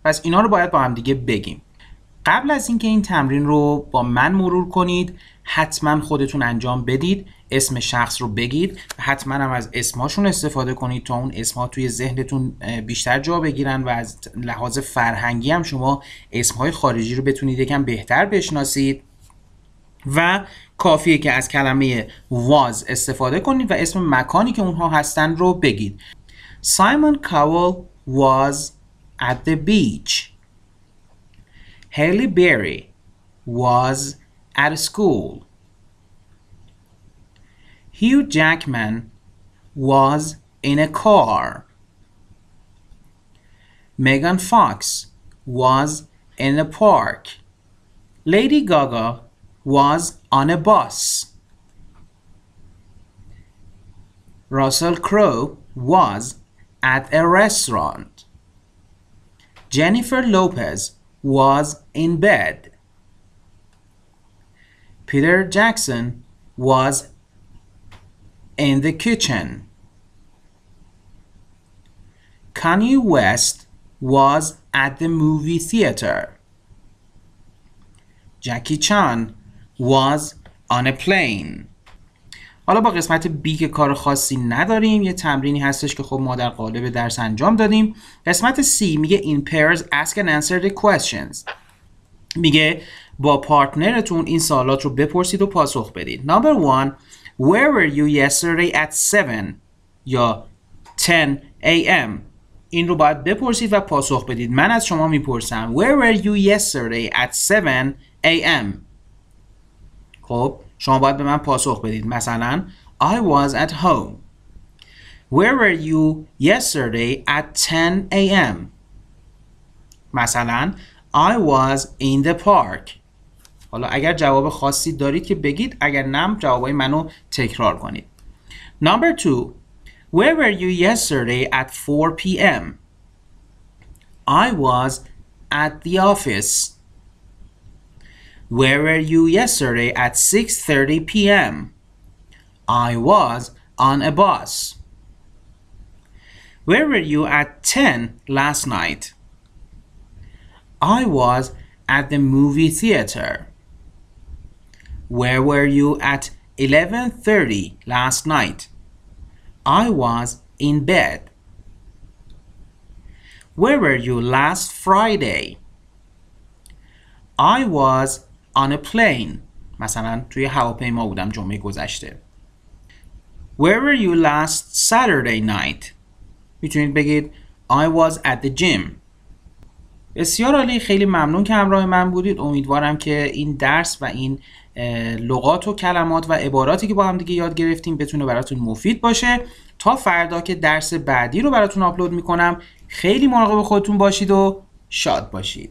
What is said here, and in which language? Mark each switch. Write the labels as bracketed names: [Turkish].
[Persian] پس اینا رو باید با هم دیگه بگیم. قبل از اینکه این تمرین رو با من مرور کنید حتما خودتون انجام بدید، اسم شخص رو بگید، حتما هم از اسماشون استفاده کنید تا اون اسما توی ذهنتون بیشتر جا بگیرن و از لحاظ فرهنگی هم شما اسمهای خارجی رو بتونید یکم بهتر بشناسید. و کافیه که از کلمه was استفاده کنید و اسم مکانی که اونها هستن رو بگید. [English] Simon Cowell was at the beach. Halle Berry was at school. Hugh Jackman was in a car. Megan Fox was in a park. Lady Gaga was on a bus. Russell Crowe was at a restaurant. Jennifer Lopez was in bed. Peter Jackson was in the kitchen. Kanye West was at the movie theater. Jackie Chan was on a plane. [Persian] حالا با قسمت B که کار خاصی نداریم، یه تمرینی هستش که خب ما در قالب درس انجام دادیم. قسمت C میگه [English] in pairs ask and answer the questions. [Persian] میگه با پارتنرتون این سوالات رو بپرسید و پاسخ بدید. [English] Number one, where were you yesterday at 7 [Persian] یا [English] 10 a.m. [Persian] این رو باید بپرسید و پاسخ بدید. من از شما میپرسم [English] where were you yesterday at 7 a.m. [Persian] خب شما باید به من پاسخ بدید. مثلا [English] I was at home. Where were you yesterday at 10 a.m. [Persian] مثلا [English] I was in the park. [Persian] حالا اگر جواب خاصی دارید که بگید، اگر نه جوابای منو تکرار کنید. [English] Number 2. Where were you yesterday at 4 p.m. I was at the office. Where were you yesterday at 6:30 p.m. I was on a bus. Where were you at 10 last night? I was at the movie theater. Where were you at 11:30 last night? I was in bed. Where were you last Friday? I was on a plane. [Persian] مثلا توی هواپیما بودم جمعه گذشته. [English] Where were you last Saturday night? [Persian] میتونید بگید [English] I was at the gym. [Persian] بسیار عالی، خیلی ممنون که همراه من بودید. امیدوارم که این درس و این لغات و کلمات و عباراتی که با هم دیگه یاد گرفتیم بتونه براتون مفید باشه. تا فردا که درس بعدی رو براتون آپلود میکنم، خیلی مراقب خودتون باشید و شاد باشید.